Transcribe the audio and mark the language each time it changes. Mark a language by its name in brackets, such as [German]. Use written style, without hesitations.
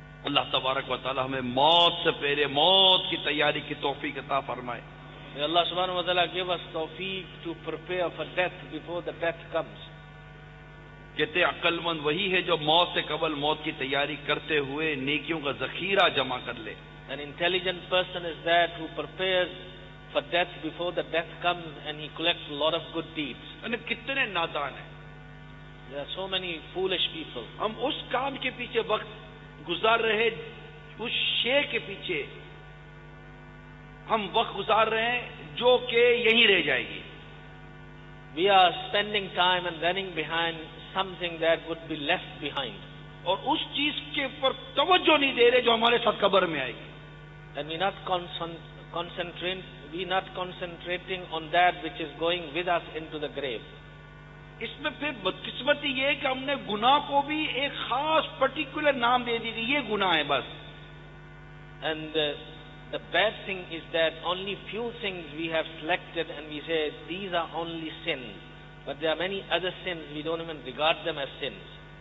[Urdu] اللہ تبارک و تعالی ہمیں موت سے پہلے موت کی تیاری کی توفیق عطا فرمائے. [English] May Allah subhanahu wa ta'ala give us توفیق to prepare for death before the death comes. [Urdu] کہتے عقل مند وہی ہے جو موت سے قبل موت کی تیاری کرتے ہوئے نیکیوں کا ذخیرہ جمع کر لے. [English] An intelligent person is that who prepares for death before the death comes and he collects a lot of good deeds. [Urdu] یعنی کتنے نادان ہیں. [English] There are so many foolish people. [Urdu] ہم اس کام کے پیچھے وقت گزار رہے اس شے کے پیچھے ہم وقت گزار رہے ہیں جو کہ یہی رہ جائے گی. [English] We are spending time and running behind something that would be left behind. [Urdu] اور اس چیز کے پر توجہ نہیں دے رہے جو ہمارے ساتھ قبر میں آئے گی. [English] And we not concentrating on that which is going with us into the grave. [Urdu] اس میں پھر بدقسمتی یہ ہے کہ ہم نے گناہ کو بھی ایک خاص پرٹیکولر نام دے دی کہ یہ گناہ ہے بس. [English] And the bad thing is that only few things we have selected and we say these are only sins, but there are many other sins we don't even regard them as sins.